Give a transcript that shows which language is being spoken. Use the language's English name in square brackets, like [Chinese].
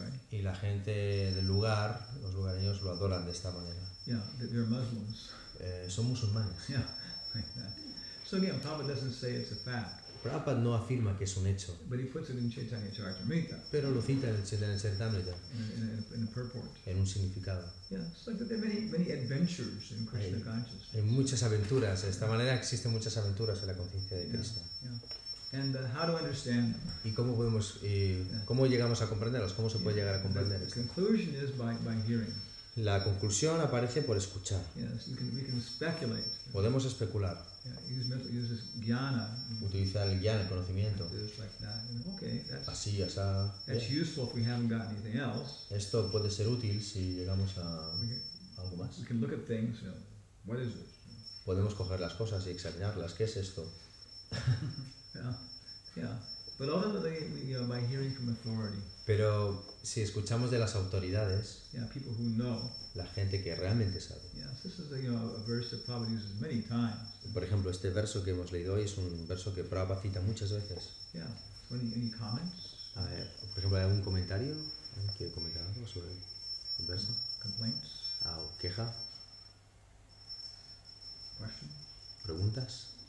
[Spanish] Y la gente del lugar, los lugareños, lo adoran de esta manera. [English] Yeah, they're Muslims. [Spanish] Son musulmanes. [English] Yeah, like that. So again, Prabhupada doesn't say it's a fact. [Spanish] Prabhupada no afirma que es un hecho. [English] But he puts it in Chaitanya Charitamrita. [Spanish] Pero lo cita en el Chaitanya Charitamrita. [English] In a purport. [Spanish] En un significado. [English] Yeah, so there are many adventures in Krishna consciousness. [Spanish] Hay muchas aventuras. De esta manera existen muchas aventuras en la conciencia de Krishna. [English] Yeah, yeah. And how to understand them? [Spanish] ¿Y cómo podemos, cómo llegamos a comprenderlos? ¿Cómo se puede llegar a comprender esto? [English] The conclusion is by hearing. [Spanish] La conclusión aparece por escuchar. [English] Yes, we can speculate. [Spanish] Podemos especular. [English] Yeah, uses jnana. [Spanish] Utiliza el jnana, el conocimiento. [English] Like that. Okay, [Spanish] así, asá. [English] That's useful if we haven't got anything else. [Spanish] Esto puede ser útil si llegamos a algo más. [English] We can look at things. You know, what is this? [Spanish] Podemos coger las cosas y examinarlas. ¿Qué es esto? [English] Yeah, yeah. But ultimately, you know, by hearing from authority. [Spanish] Pero si escuchamos de las autoridades, [English] yeah, people who know, [Spanish] la gente que realmente sabe. [English] Yes, this is a, you know, a verse that Prabhupada uses many times. [Spanish] Por ejemplo, este verso que hemos leído hoy es un verso que Prabhupada cita muchas veces. [English] Yeah. Any comments? [Spanish] A ver, por ejemplo, ¿hay algún comentario? ¿Quiere comentar algo sobre el verso? [English] Complaints? [Spanish] Ah, ¿o queja? [English] Question? [Spanish] ¿Preguntas?